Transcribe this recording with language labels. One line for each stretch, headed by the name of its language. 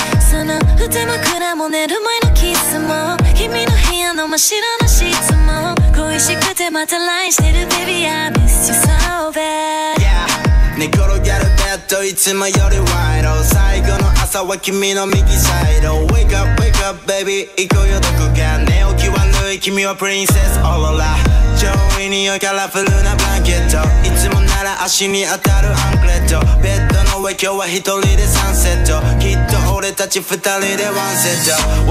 Japanese: そのうて枕も寝る前のキスも、君の部屋の真っ白なシーツも、恋しくてまた LINE してる
English: Baby I miss you so bad。
Japanese: Yeah、 寝転がるベッドいつもよりワイド、最後の朝は君の右サイド。
English: Wake up, wake up, baby
Japanese: 行こうよどこか。寝起きは脱い、君はプリンセスオーロラ。上位に良いカラフルなブランケット、いつもなら足に当たるアンクレット。ベッドの上今日は一人でサンセット、きっと俺たち二人でワンセット。